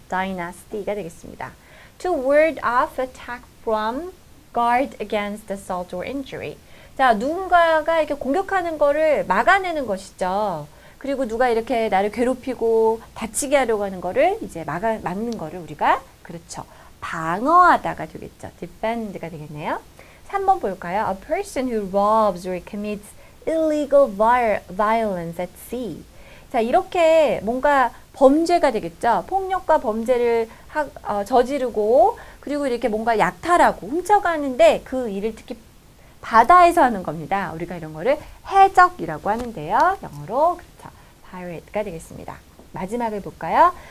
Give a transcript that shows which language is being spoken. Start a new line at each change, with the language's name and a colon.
Korean: Dynasty가 되겠습니다.
English: To ward off attack from, guard against assault or injury.
Korean: 자, 누군가가 이렇게 공격하는 거를 막아내는 것이죠. 그리고 누가 이렇게 나를 괴롭히고 다치게 하려고 하는 거를 이제 막는 거를 우리가, 그렇죠. 방어하다가 되겠죠. defend가 되겠네요. 3번 볼까요?
English: A person who robs or commits illegal violence at sea.
Korean: 자, 이렇게 뭔가 범죄가 되겠죠. 폭력과 범죄를 저지르고, 그리고 이렇게 뭔가 약탈하고 훔쳐가는데 그 일을 특히 바다에서 하는 겁니다. 우리가 이런 거를 해적이라고 하는데요. 영어로 그렇죠. pirate가 되겠습니다. 마지막을 볼까요?